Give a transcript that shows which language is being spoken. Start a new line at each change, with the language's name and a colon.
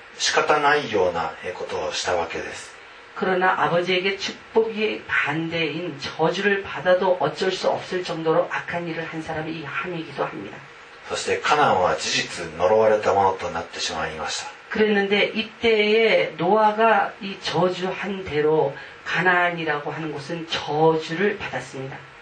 Japanese: しかしこのハムは呪われても仕方ないようなことをしたわけです。
Korean: 그러나 아버지에게 축복이 반대인 저주를 받아도 어쩔 수 없을 정도로 악한 일을 한 사람이 이 함이기도 합니다.
Japanese: そしてカナンは事実呪われたものとなってしまいました。
Korean: 그랬는데 이때에 노아가 이 저주한 대로 가나안이라고 하는 곳은 저주를 받았습니다.